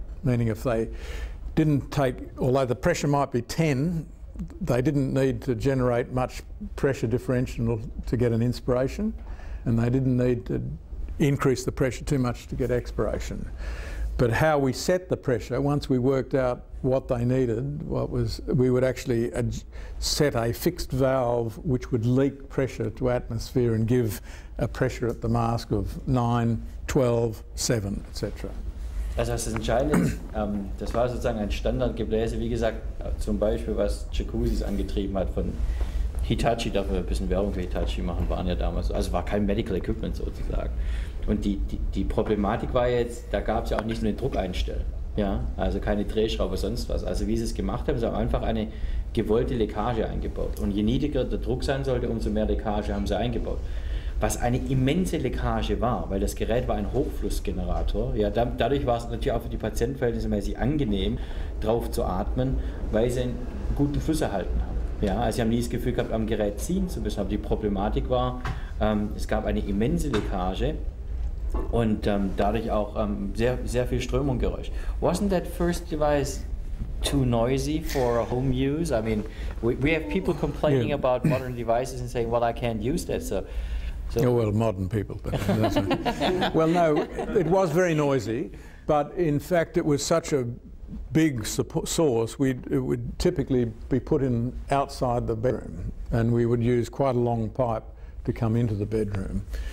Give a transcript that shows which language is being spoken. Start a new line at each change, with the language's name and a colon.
English: Meaning if they didn't take, although the pressure might be 10, they didn't need to generate much pressure differential to get an inspiration, and they didn't need to increase the pressure too much to get expiration. But how we set the pressure, once we worked out what they needed, we would actually set a fixed valve which would leak pressure to atmosphere and give a pressure at the mask of 9, 12, 7, etc.
German: Also das Entscheidende ist, das war sozusagen ein Standardgebläse, wie gesagt, zum Beispiel was Jacuzzis angetrieben hat von Hitachi, darf man ein bisschen Werbung für Hitachi machen, waren ja damals, also war kein Medical Equipment sozusagen. Und die Problematik war jetzt, da gab es ja auch nicht nur den Druckeinstell, ja, also keine Drehschraube, sonst was. Also wie sie es gemacht haben, sie haben einfach eine gewollte Leckage eingebaut. Und je niedriger der Druck sein sollte, umso mehr Leckage haben sie eingebaut. Was eine immense Leckage war, weil das Gerät war ein Hochflussgenerator. Ja, dadurch war es natürlich auch für die Patienten verhältnismäßig angenehm, drauf zu atmen, weil sie einen guten Fluss erhalten haben. Ja, also sie haben nie das Gefühl gehabt, am Gerät ziehen zu müssen. Aber die Problematik war, es gab eine immense Leckage und dadurch auch sehr, sehr viel Strömung, Geräusch.
English: Wasn't that first device too noisy for home use? I mean, we have people complaining about modern devices and saying, well, I can't use that. So. Oh, well, modern people. But well, no, it was very noisy, but in fact it was such a big source, it would typically be put in outside the bedroom, and we would use quite a long pipe to come into the bedroom.